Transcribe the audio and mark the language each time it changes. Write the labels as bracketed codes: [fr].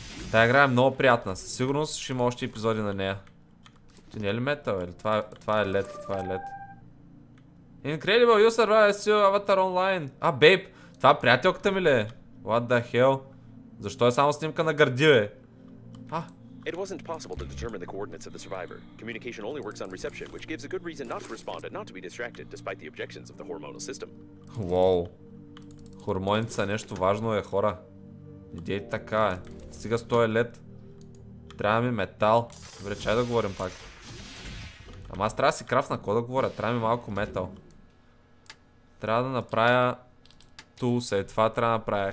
[bg] Тая игра е много приятна, със сигурност ще има още епизоди на нея. Ти не е ли метал, или това е лед. [en] Incredible, you survive, see your avatar online. [bg] А, бейб, това приятелката ми ли е? [en] What the hell? [bg] Защо е само снимка на гърди, бе? А? [en] It wasn't possible to determine the coordinates of the survivor. Communication only works on reception, which gives a good reason not to respond and not to be distracted, despite the objections of the hormonal system. Wow. [bg] Хормоница, нещо важно е, хора. Идеи така е. Стига с този лед. Трябва ми метал. Добре, чай да говорим пак. Ама аз трябва да си крафна, какво да говоря? Трябва ми малко метал. Трябва да направя тулса и това трябва да направя.